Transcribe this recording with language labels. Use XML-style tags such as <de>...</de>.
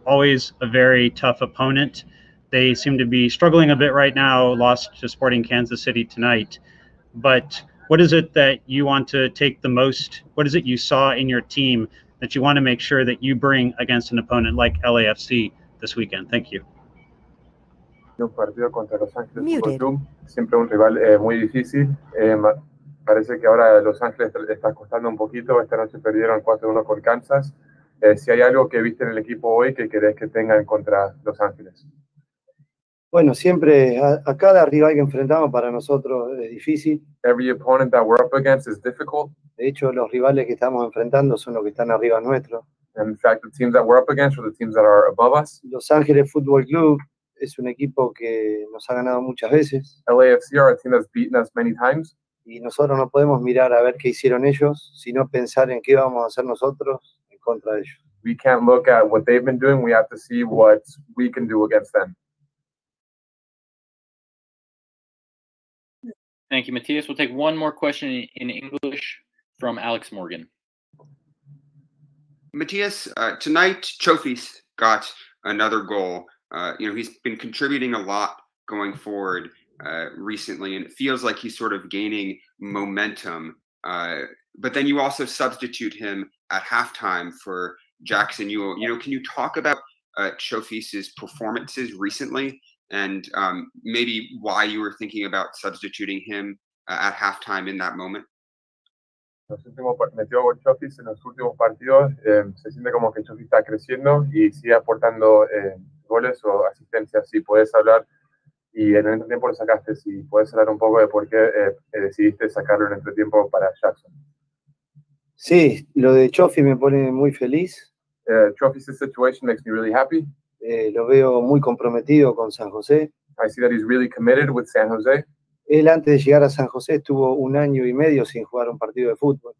<en>Always a very tough opponent. They seem to be struggling a bit right now, lost to Sporting Kansas City tonight. But what is it that you want to take the most? What is it you saw in your team that you want to make sure that you bring against an opponent like LAFC this weekend? Thank you.</en> <es>Un partido contra Los Ángeles Fútbol Club, siempre un rival muy difícil. Parece que ahora Los Ángeles está costando un poquito. Esta noche perdieron 4-1 con Kansas. Si hay algo que viste en el equipo hoy que querés que tengan contra Los Ángeles. Bueno, siempre a cada rival que enfrentamos para nosotros es difícil.</es> <en>Every opponent that we're up against is difficult.</en> <es>De hecho, los rivales que estamos enfrentando son los que están arriba nuestro.</es> <en>And in fact, the teams that we're up against are the teams that are above us.</en> <es>Los Ángeles Fútbol Club es un equipo que nos ha ganado muchas veces.</es> <en>LAFC are a team that's beaten us many times.</en> <es>Y nosotros no podemos mirar a ver qué hicieron ellos, sino pensar en qué vamos a hacer nosotros en contra de ellos.</es> <en>We can't look at what they've been doing. We have to see what we can do against them. Thank you, Matias. We'll take one more question in English from Alex Morgan. Matias, tonight Chofis got another goal. You know, he's been contributing a lot going forward recently, and it feels like he's sort of gaining momentum. but then you also substitute him at halftime for Jackson Yueill. You know, can you talk about Chofis's performances recently and maybe why you were thinking about substituting him at halftime in that moment?</en> <es>Los últimos metió con Chofis en los últimos partidos, se siente como que Chofis está creciendo y sigue aportando goles o asistencias. Si puedes hablar y en el entretiempo lo sacaste, si puedes hablar un poco de por qué decidiste sacarlo en el entretiempo para Jackson. Sí, lo de Chofis me pone muy feliz.</es> <en>Chofis' situation makes me really happy.</en> <es>Lo veo muy comprometido con San José.</es> <en>I see that he's really committed with San Jose.</en> <es>Él antes de llegar a San José estuvo un año y medio sin jugar un partido de fútbol.</es>